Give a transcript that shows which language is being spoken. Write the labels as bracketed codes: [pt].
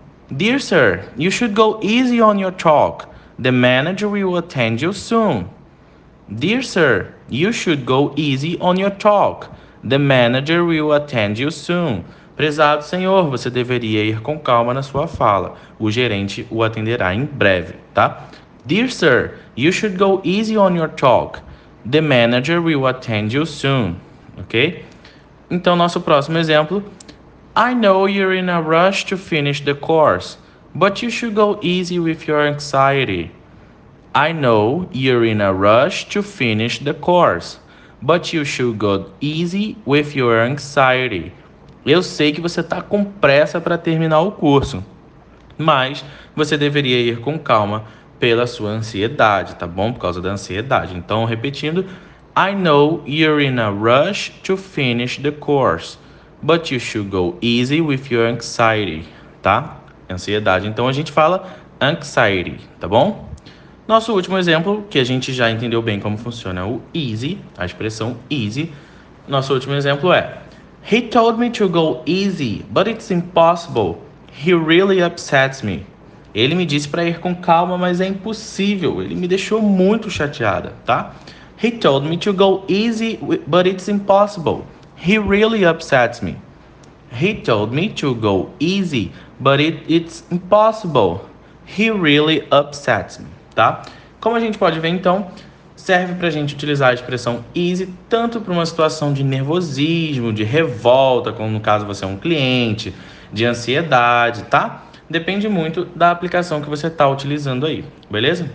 [en] Dear sir, you should go easy on your talk. The manager will attend you soon. Dear sir, you should go easy on your talk. The manager will attend you soon. [pt] Prezado senhor, você deveria ir com calma na sua fala. O gerente o atenderá em breve, tá? [en] Dear sir, you should go easy on your talk. The manager will attend you soon. Ok? [pt] Então, nosso próximo exemplo. [en] I know you're in a rush to finish the course, but you should go easy with your anxiety. I know you're in a rush to finish the course, but you should go easy with your anxiety. [pt] Eu sei que você está com pressa para terminar o curso, mas você deveria ir com calma pela sua ansiedade, tá bom? Por causa da ansiedade. Então, repetindo, [en] I know you're in a rush to finish the course, but you should go easy with your anxiety, tá? [pt] Ansiedade. Então, a gente fala anxiety, tá bom? Nosso último exemplo, que a gente já entendeu bem como funciona o easy, a expressão easy. Nosso último exemplo é: [en] He told me to go easy, but it's impossible. He really upsets me. [pt] Ele me disse para ir com calma, mas é impossível. Ele me deixou muito chateada, tá? [en] He told me to go easy, but it's impossible. He really upsets me. He told me to go easy, but it's impossible. He really upsets me, tá? [pt] Como a gente pode ver, então, serve para a gente utilizar a expressão easy tanto para uma situação de nervosismo, de revolta, como no caso você é um cliente, de ansiedade, tá? Depende muito da aplicação que você está utilizando aí, beleza?